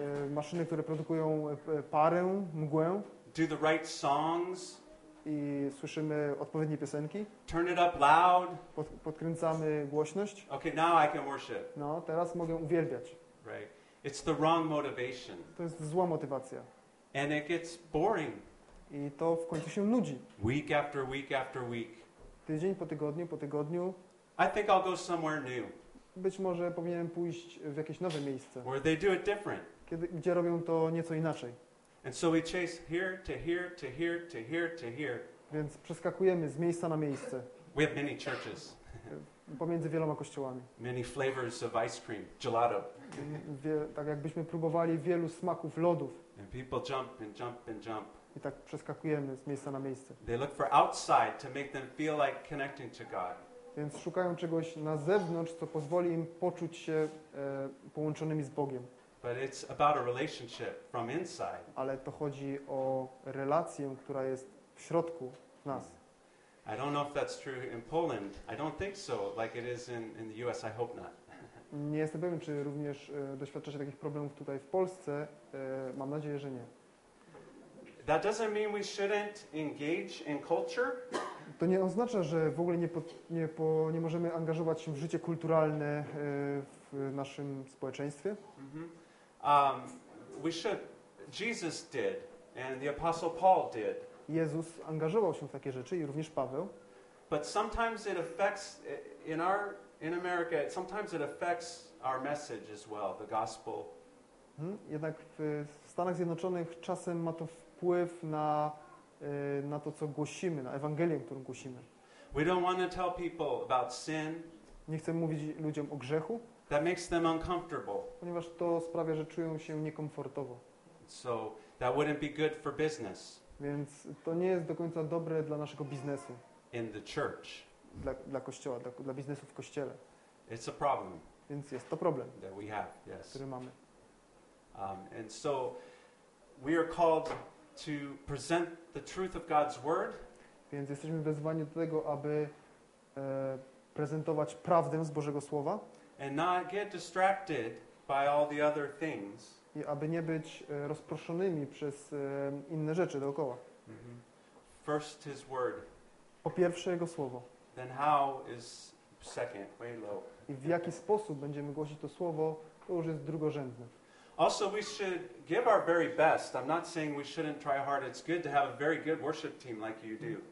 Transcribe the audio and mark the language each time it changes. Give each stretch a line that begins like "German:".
Polish: Maszyny, które produkują parę, mgłę.
English: Do the right songs.
Polish: I słyszymy odpowiednie piosenki.
English: Turn it up loud.
Polish: Podkręcamy głośność.
English: Okay, now I can worship.
Polish: No, teraz mogę uwielbiać.
English: Right. It's the wrong motivation.
Polish: To jest zła motywacja.
English: And it gets boring.
Polish: I to w końcu się nudzi.
English: Week after week after week.
Polish: Tydzień po tygodniu.
English: I think I'll go somewhere new.
Polish: Być może powinienem pójść w jakieś nowe miejsce.
English: Where they do it different.
Polish: Gdzie robią to nieco inaczej.
English: And so we chase here to here to here to here to here.
Polish: Więc przeskakujemy z miejsca na miejsce.
English: We have many churches.
Polish: Pomiędzy wieloma kościołami.
English: Many flavors of ice cream, gelato.
Polish: Tak jakbyśmy próbowali wielu smaków lodów.
English: And people jump and jump and jump.
Polish: I tak przeskakujemy z miejsca na miejsce.
English: They look for outside to make them feel like connecting to God.
Polish: Więc szukają czegoś na zewnątrz, co pozwoli im poczuć się połączonymi z Bogiem.
English: But it's about a relationship from inside.
Polish: Ale to chodzi o relację, która jest w środku w nas.
English: I don't know if that's true in Poland. I don't think so, like it is in the US. I hope not.
Polish: Nie jestem pewien, czy również doświadcza się takich problemów tutaj w Polsce. Mam nadzieję, że nie.
English: That doesn't mean we shouldn't engage in culture.
Polish: To nie oznacza, że w ogóle nie możemy angażować się w życie kulturalne w naszym społeczeństwie.
English: Mm-hmm. We should. Jesus did, and the Apostle Paul did.
Polish: Jezus angażował się w takie rzeczy i również Paweł.
English: But sometimes it affects in America. Sometimes it affects our message as well, the gospel.
Polish: Jednak w Stanach Zjednoczonych czasem ma to wpływ na to, co głosimy, na Ewangelię, którą głosimy.
English: We don't want to tell people about sin.
Polish: Nie chcemy mówić ludziom o grzechu.
English: That makes them uncomfortable.
Polish: Ponieważ to sprawia, że czują się niekomfortowo.
English: So that wouldn't be good for business.
Polish: Więc to nie jest do końca dobre dla naszego biznesu.
English: In the church.
Polish: Dla kościoła, dla biznesu w kościele.
English: It's a problem.
Polish: Więc jest to problem,
English: that we have, yes.
Polish: Który mamy.
English: And so we are called to present the truth of God's word.
Polish: Więc jesteśmy wezwani do tego, aby prezentować prawdę z Bożego słowa.
English: And not get distracted by all the other things.
Polish: I aby nie być rozproszonymi przez inne rzeczy dookoła.
English: Mm-hmm. First his word.
Polish: Po pierwsze jego słowo.
English: Then how is second, way low.
Polish: I w jaki sposób będziemy głosić to słowo, to już jest drugorzędne.
English: Also we should give our very best. I'm not saying we shouldn't try hard. It's good to have a very good worship team like you do.